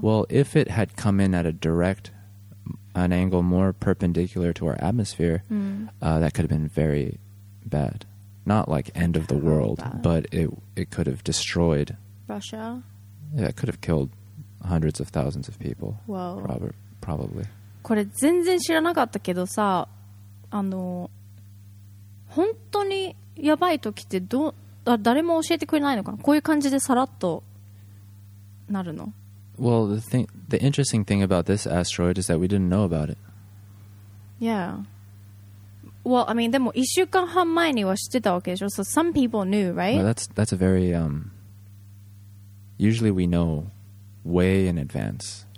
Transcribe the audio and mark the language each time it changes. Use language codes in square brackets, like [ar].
[en] Well, if it had come in at a direct, an angle more perpendicular to our atmosphere, that could have been very bad. Not like end of the world, but it could have destroyed Russia. Yeah, it could have killed hundreds of thousands of people. Wow. Probably. [ja] これ全然知らなかったけどさ、あの本当にやばい時ってどう、誰も教えてくれないのかな、こういう感じでさらっとなるの。 [en] Well, the interesting thing about this asteroid is that we didn't know about it. Yeah. Well, I mean, [ja] でも1週間半前には知ってたわけでしょ。 [en] So some people knew, right? No, that's a very... Usually we know way in advance.